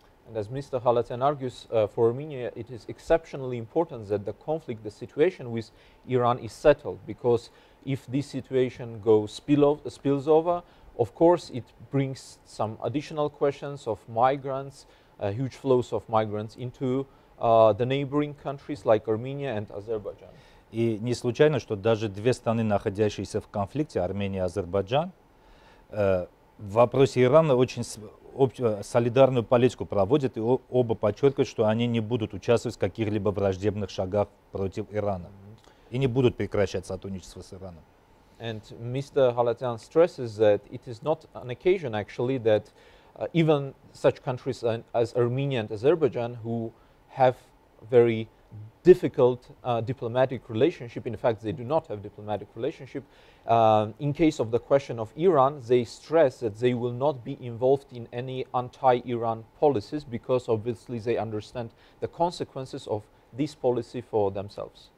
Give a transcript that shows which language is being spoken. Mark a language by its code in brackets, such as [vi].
[en] And as Mr. Khalatyan argues, for Armenia, it is exceptionally important that the conflict, the situation with Iran is settled, because if this situation spills over, of course, it brings some additional questions of migrants, huge flows of migrants into the neighboring countries like Armenia and Azerbaijan. [ru] И не случайно, что даже две страны, находящиеся в конфликте, Армения и Азербайджан, в вопросе Ирана очень солидарную политику проводят, и оба подчеркивают, что они не будут участвовать в каких-либо враждебных шагах против Ирана и не будут прекращать сотрудничество с Ираном. [en] And Mr. Khalatyan stresses that it is not an occasion, actually, that even such countries as Armenia and Azerbaijan, who have very difficult diplomatic relationship, in fact, they do not have diplomatic relationship, in case of the question of Iran, they stress that they will not be involved in any anti-Iran policies because obviously they understand the consequences of this policy for themselves.